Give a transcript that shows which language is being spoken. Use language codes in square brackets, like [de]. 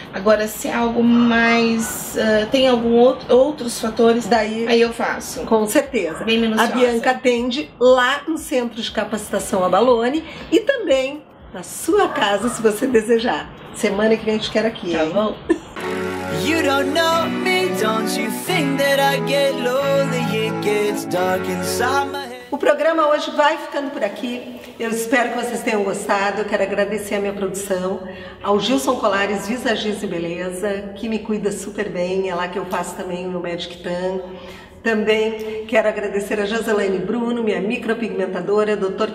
[pt] Agora, se é algo mais... tem algum outros fatores, daí, aí eu faço. Com certeza. Bem minuciosa. A Bianca atende lá no Centro de Capacitação Abalone e também na sua casa, se você desejar. Semana que vem a gente quer aqui. Tá bom? [en] You don't know me, don't you think that I get lonely? It gets dark inside my head. [pt] O programa hoje vai ficando por aqui. Eu espero que vocês tenham gostado. Eu quero agradecer a minha produção, ao Gilson Colares, Visagismo e Beleza, que me cuida super bem. É lá que eu faço também o meu Magic Tan. Também quero agradecer a Joselaine Bruno, minha micropigmentadora, Dr.